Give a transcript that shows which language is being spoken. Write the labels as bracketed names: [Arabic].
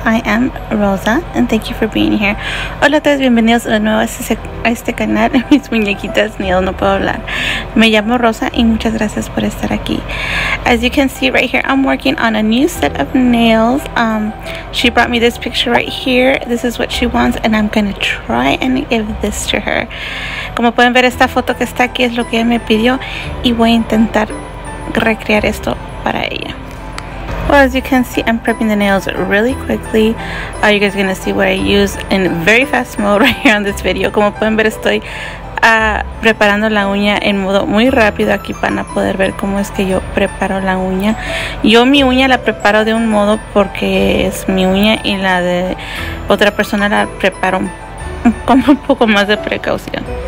[English] I am Rosa and thank you for being here. [Spanish] Hola a todos, bienvenidos de nuevo a este canal, mismuñequitasnails. No puedo hablar. Me llamo Rosa y muchas gracias por estar aquí. [English] As you can see right here, I'm working on a new set of nails. She brought me this picture right here. This is what she wants and I'm going to try and give this to her. [Spanish] Como pueden ver, esta foto que está aquí es lo que ella me pidió y voy a intentar recrear esto para ella. [English] Well, as you can see, I'm prepping the nails really quickly. You guys are gonna see what I use in very fast mode right here on this video. [Spanish] Como pueden ver, estoy preparando la uña en modo muy rápido aquí para poder ver cómo es que yo preparo la uña. Yo mi uña la preparo de un modo porque es mi uña y la de otra persona la preparo con un poco más de precaución.